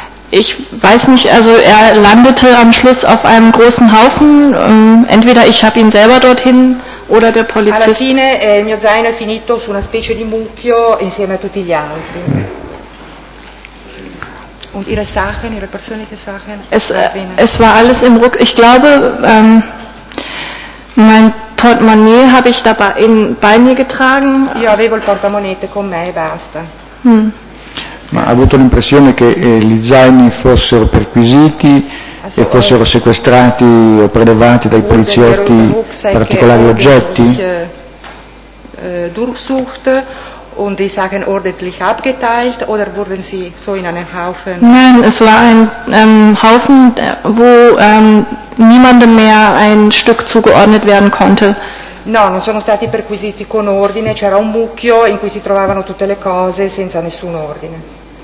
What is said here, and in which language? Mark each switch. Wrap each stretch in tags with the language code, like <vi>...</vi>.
<de>Ich weiß nicht, also er landete am Schluss auf einem großen Haufen, entweder ich habe ihn selber dorthin oder der Polizist.</de> <it>Alla fine il mio zaino è finito su una specie di mucchio insieme a tutti gli altri.</it> <de>Und ihre Sachen, ihre persönlichen Sachen? Es war alles im Rucksack. Ich glaube, mein Portemonnaie habe ich dabei bei mir getragen.</de> <it>Io avevo il portamonete con me e basta. Ma ha avuto l'impressione che gli zaini fossero perquisiti e fossero sequestrati o prelevati dai poliziotti particolari oggetti?</it> <de>Durchsucht und die Sachen ordentlich abgeteilt oder wurden sie so in einen Haufen? Nein, es war ein Haufen, wo niemandem mehr ein Stück zugeordnet werden konnte.</de> <it>No, non sono stati perquisiti con ordine, c'era un mucchio in cui si trovavano tutte le cose senza nessun ordine.</it>